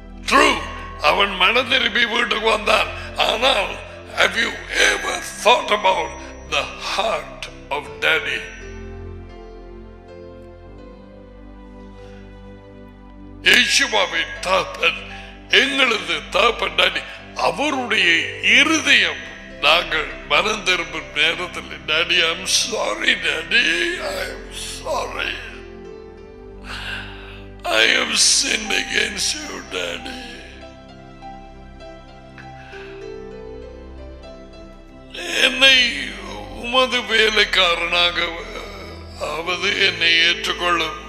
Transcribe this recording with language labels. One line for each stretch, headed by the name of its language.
English: True,
Tamil: அவன் மனம் திரும்பி வீட்டுக்கு வந்தான். ஆனால்
English: have you ever thought about the heart of daddy?
Tamil: இயேசுவின் தாப்பன் எங்களது தாப்பன் அவருடைய இருதயம் நாங்கள் மனம் திரும்பும் நேரத்தில்
English: daddy I am sorry daddy I am sorry I am sin against you daddy
Tamil: என்னை உமது வேலைக்காரனாக அவது என்னை ஏற்றுக்கொள்ளும்.